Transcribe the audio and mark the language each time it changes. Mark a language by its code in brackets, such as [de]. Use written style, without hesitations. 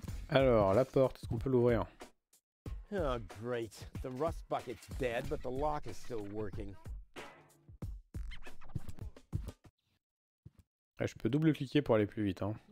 [fr] Alors, la porte, est-ce qu'on peut l'ouvrir? [en] Oh, great. The rust bucket's dead, but the lock is still working. [fr] Je peux double-cliquer pour aller plus vite, hein.